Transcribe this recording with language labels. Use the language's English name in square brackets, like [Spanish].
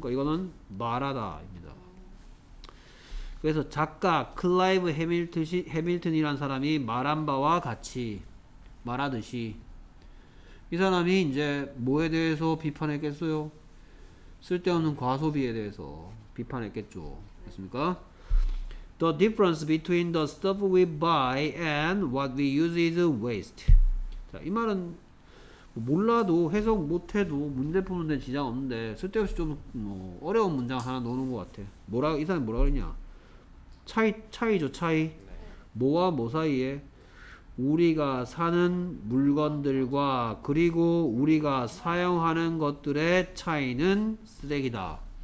[Korean] 그러니까 이거는 말하다 입니다. 그래서 작가 클라이브 해밀튼이란 사람이 말한 바와 같이 말하듯이 이 사람이 이제 뭐에 대해서 비판했겠어요? 쓸데없는 과소비에 대해서 비판했겠죠. 맞습니까? [English] The difference between the stuff we buy and what we use is waste. [Korean] 자, 이 말은 몰라도 해석 못해도 문제 푸는 데 지장 없는데 쓸데없이 좀 뭐 어려운 문장 하나 넣는 것 같아. 뭐라 이 사람이 뭐라 그러냐? 차이죠, 차이. 뭐와 뭐 사이에? 우리가 사는 물건들과 그리고 우리가 사용하는 것들의 차이는 쓰레기다.